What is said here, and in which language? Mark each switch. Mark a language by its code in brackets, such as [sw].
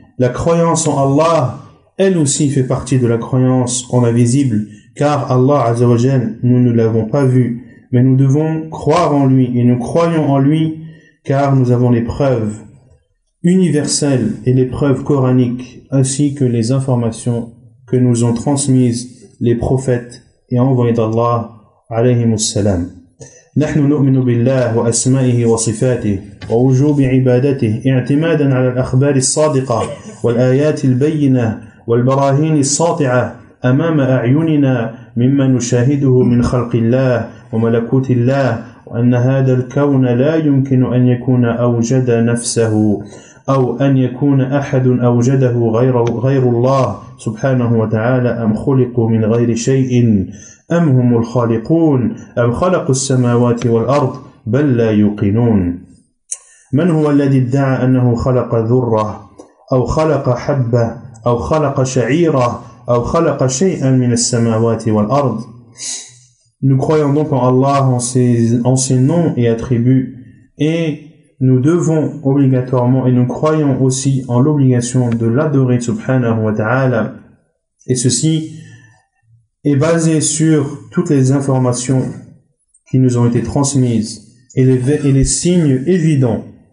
[fr] La croyance en Allah, elle aussi fait partie de la croyance en l'invisible, car Allah Azza wa Jal, nous ne l'avons pas vu, mais nous devons croire en lui et nous croyons en lui car nous avons les preuves universelle et les preuves coraniques ainsi que les informations que nous ont transmises les prophètes et envoyés d'Allah alayhim salam. [ar] نحن نؤمن بالله وأسمائه وصفاته ووجوب عبادته اعتمادا على الأخبار الصادقة والآيات البينة والبراهين الساطعة أمام أعيننا مما نشاهده من خلق الله وملكوت الله وأن هذا الكون لا يمكن أن يكون أوجد نفسه أو أن يكون أحد أوجده غير الله سبحانه وتعالى أم خلقوا من غير شيء أم هم الخالقون أم خلقوا السماوات والأرض بل لا يوقنون من هو الذي ادعى أنه خلق ذرة أو خلق حبة أو خلق شعيرة أو خلق شيئا من السماوات والأرض. [fr] Nous croyons donc en Allah, en ses noms et attributs, et nous devons obligatoirement, et nous croyons aussi en l'obligation de l'adorer subhanahu wa ta'ala, Et ceci est basé sur toutes les informations qui nous ont été transmises et les signes évidents